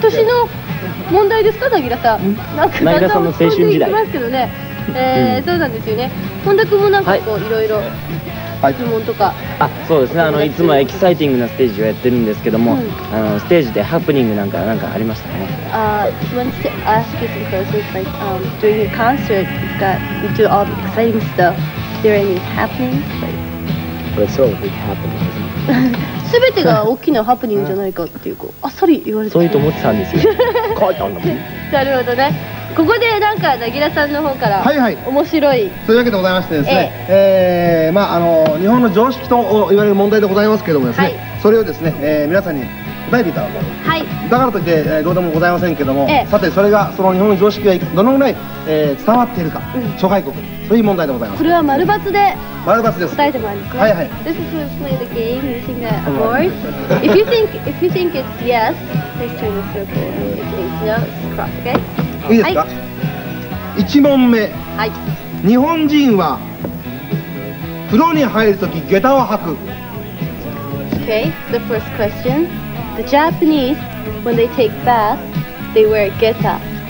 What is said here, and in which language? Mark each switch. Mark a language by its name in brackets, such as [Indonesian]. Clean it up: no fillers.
[Japanese] 年の問題ですか、なぎらさん。なんかなぎらさんの青春時代。ますけどね、そうなんですよね。本田くんもなんかこう、はい、いろいろ質問とか。あ、そうですね。いつもエキサイティングなステージをやってるんですけども、うん、ステージでハプニングなんかありましたかね。 [English] He wants to ask you some questions, like, during your concert, you do all the exciting stuff. Is there any happening? But it's all big happening. [Japanese] 全てが大きなハプニングじゃないかっていうか、あっさり言われて、そういうと思ってたんですよ。書いてあるんだもん。なるほどね。ここでなんか凪良さんの方から、はいはい、面白いというわけでございましてですね、まあ日本の常識と言われる問題でございますけどもですね、はい、それをですね、皆さんに答えていただこう、はい、だからといって、どうでもございませんけども、さてそれがその日本の常識がどのぐらい、伝わっているか、うん、諸外国に、そういう問題でございます。これは丸×で答えてもらいます、ね、はいはい。 [English] This is who's playing the game using the board. If you think it's yes, please turn the circle. If it's no, it's cross, okay? [Japanese] いいですか、はい、1問目、はい、日本人は風呂に入るとき下駄を履く。 [English] Okay, the first question. The Japanese, when they take bath, they wear 下駄.